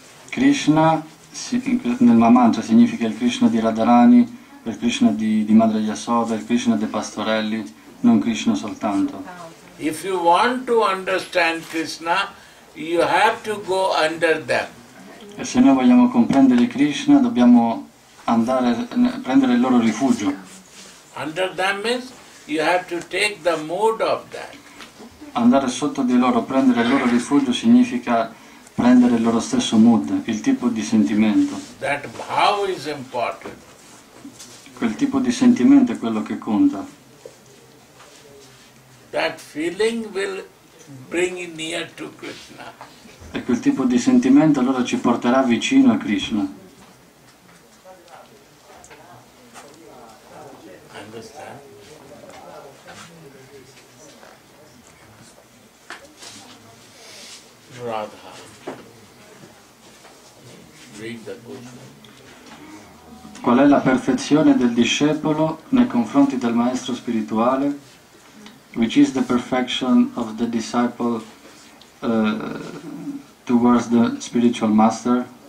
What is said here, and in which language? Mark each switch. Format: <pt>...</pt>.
<it>Krishna, nel mantra, significa il Krishna di Radharani, il Krishna di Madre Yashoda, il Krishna dei pastorelli, non Krishna soltanto.</it> <en>If you want to understand Krishna, you have to go under them.</en> <it>E se noi vogliamo comprendere Krishna, dobbiamo andare prendere il loro rifugio.</it> <en>Under them means you have to take the mood of that.</en> <it>Andare sotto di loro, prendere il loro rifugio, significa prendere il loro stesso mood, il tipo di sentimento.</it> <en>That bhav is important.</en> <it>Quel tipo di sentimento è quello che conta.</it> <en>That feeling will bring near to Krishna.</en> <it>E quel tipo di sentimento allora ci porterà vicino a Krishna.</it> <en>Understand? Radha. Read the book.</en> <it>Qual è la perfezione del discepolo nei confronti del maestro spirituale?</it> <en>Which is the perfection of the disciple towards the spiritual master?</en>